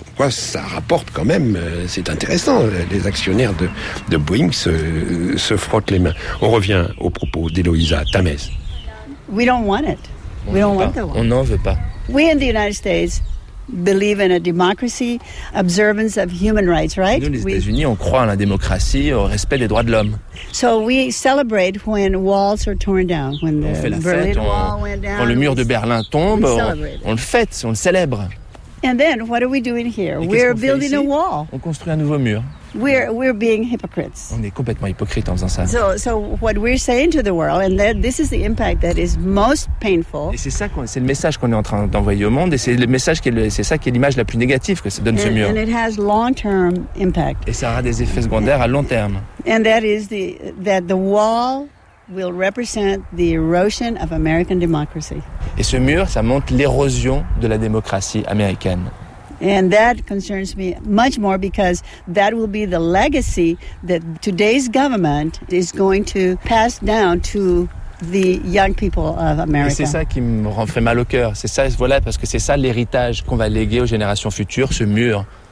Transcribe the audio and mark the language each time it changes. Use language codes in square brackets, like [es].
[fr] Quoi, ça rapporte quand même, c'est intéressant, les actionnaires de Boeing se frottent les mains. On revient au propos d'Héloïsa Tamez. [en] We don't want it. We don't want the [fr] one. On n'en veut pas. [en] We in the United States believe in a democracy, observance of human rights, right? [fr] Nous, les États-Unis, on croit en la démocratie, au respect des droits de l'homme. [en] So we celebrate when walls are torn down, when the Berlin Wall went down. [fr] Quand le mur de Berlin tombe, on le fête, on le célèbre. [en] And then, what are we doing here? We're building a wall. [fr] On construit un nouveau mur. [en] We're being hypocrites. [fr] On est complètement hypocrites en faisant ça. [en] So what we're saying to the world, and that this is the impact that is most painful. [fr] Et c'est ça, c'est le message qu'on est en train d'envoyer au monde, et c'est le message qui est l'image la plus négative que ça donne ce mur. [en] And it has long-term impact. [fr] Et ça aura des effets secondaires à long terme. [en] And that is the wall will represent the erosion of American democracy. [fr] Et ce mur, ça montre l'érosion de la démocratie américaine. [en] And that concerns me much more because that will be the legacy that today's government is going to pass down to the young people of America. [fr] Et c'est ça qui me rend très mal au cœur. C'est ça, voilà, parce que c'est ça l'héritage qu'on va léguer aux générations futures, ce mur.